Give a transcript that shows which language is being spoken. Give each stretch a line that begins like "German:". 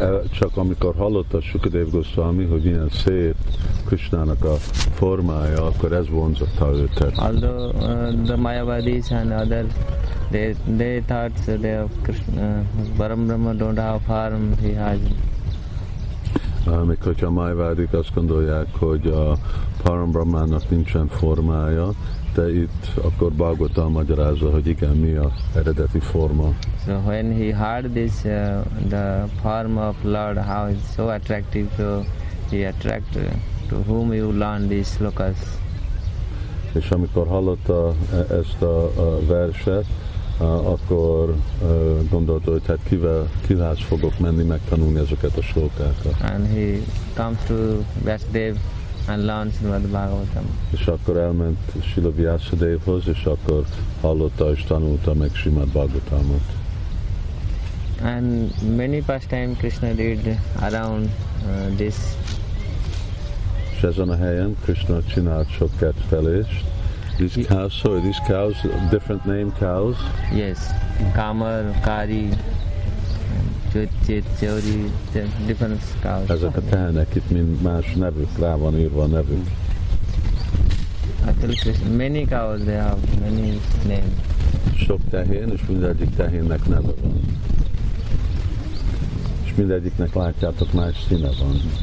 Hungarian: Csak amikor hallotta Sukadeva Goswami, hogy ilyen szép Krishnának a formája, akkor ez vonzotta őt.
English: Although the Mayavadis and others, they thought so they have Krishna, Param Brahma don't have form, he has.
Hungarian: Amikor a Mayavadik azt gondolják, hogy a Param Brahmának nincsen formája, de itt akkor Bhagavata magyarázza, hogy igen, mi a eredeti forma.
English: So when he heard this, the form of Lord, how it's so attractive, so he attracted to whom you learn these slokas.
Hungarian: És amikor hallotta ezt a verset, akkor gondolta, hogy hát kihez fogok menni megtanulni ezeket a slokákat.
English: And he comes to Vasudev and learns Srimad Bhagavatam.
Hungarian: És akkor elment Srila Vyasadevhoz, és akkor hallotta és tanulta meg Srimad Bhagavatamot.
English: And many pastime Krishna did around this.
Hungarian: És ezen a helyen Krishna csinált sok kettfelést.
English: These cows, different name cows? Yes, Kamar, Kari, Chuchit, Chauri, different cows.
Hungarian: Ezek a tehenek, itt mind más nevük, rá van írva a nevük.
English: Many cows, they have many names.
Hungarian: Sok tehén, és mindegyik tehénnek neve van. És mindegyiknek látjátok, más színe van.